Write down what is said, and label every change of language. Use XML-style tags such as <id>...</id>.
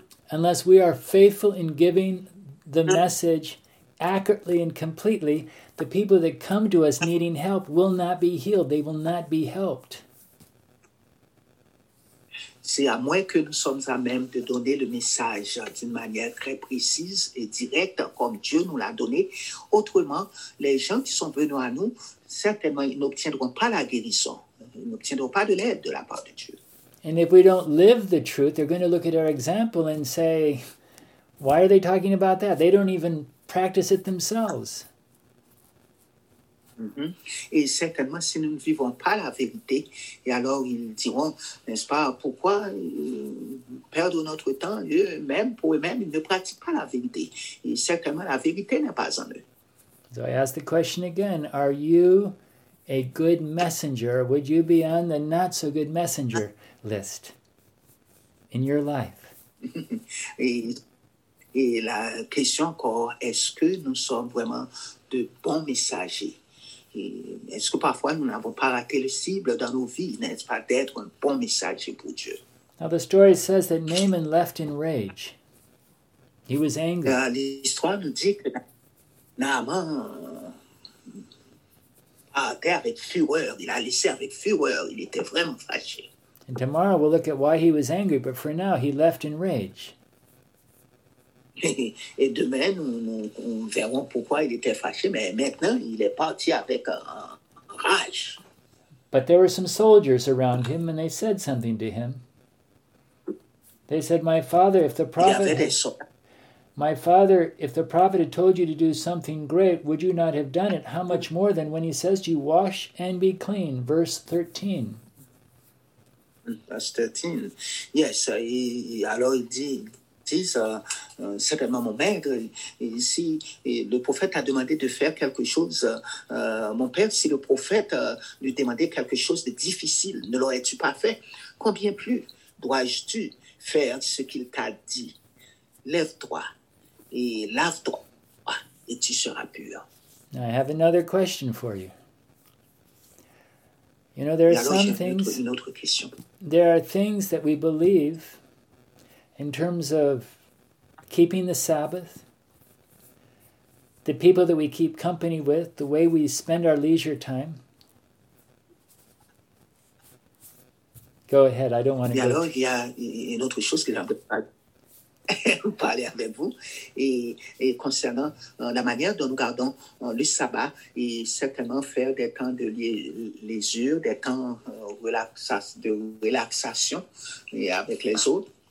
<en>Unless we are faithful in giving the message accurately and completely, the people that come to us needing help will not be healed. They will not be helped.</en> <fr>C'est à moins que nous sommes à même de donner le message d'une manière très précise et directe comme Dieu nous l'a donné. Autrement, les gens qui sont venus à nous, certainement, ils n'obtiendront pas la guérison. Ils n'obtiendront pas de l'aide de la part de Dieu.</fr> <en>And if we don't live the truth, they're going to look at our example and say, why are they talking about that? They don't even practice it themselves. Mm-hmm.</en> <fr>Et certainement, si nous ne vivons pas la vérité, et alors ils diront, n'est-ce pas, pourquoi perdre notre temps, eux-mêmes, pour eux-mêmes, ils ne pratiquent pas la vérité. Et certainement, la vérité n'est pas en eux.</fr> <en>So I ask the question again, are you a good messenger? Would you be on the not so good messenger list in your life?</en> <fr>Et la question encore, est-ce que nous sommes vraiment de bons messagers? Et est-ce que parfois nous n'avons pas raté le cible dans nos vies, n'est-ce pas, d'être un bon messager pour Dieu?</fr> <en>Now the story says that Naaman left in rage. He was angry.</en> <fr>L'histoire nous dit que Naaman partait avec fureur. Il a laissé avec fureur. Il était vraiment fâché.</fr> <en>And tomorrow we'll look at why he was angry, but for now he left in rage.</en> <fr>Et demain, nous verrons pourquoi il était fâché, mais maintenant, il est parti avec rage.</fr> <en>But there were some soldiers around him, and they said something to him. They said, my father, if the prophet had told you to do something great, would you not have done it? How much more than when he says to you, wash and be clean? Verse 13. Verse 13.</en> <fr>Yes, alors il dit, certainement mon maître, si le prophète a demandé de faire quelque chose, mon père, si le prophète lui demandait quelque chose de difficile, ne l'aurais-tu pas fait? Combien plus dois-tu faire ce qu'il t'a dit? Lève-toi et lave-toi et tu seras pur.</fr> <en>Now I have another question for you. You know, there are some things, there are things that we believe in terms of keeping the Sabbath, the people that we keep company with, the way we spend our leisure time. Go ahead, I don't want to.</en> <fr>Et alors, il y a une autre chose que j'aimerais parler avec vous, et concernant la manière dont nous gardons le sabbat, et certainement faire des temps de lésure, des temps de relaxation avec les autres.</fr>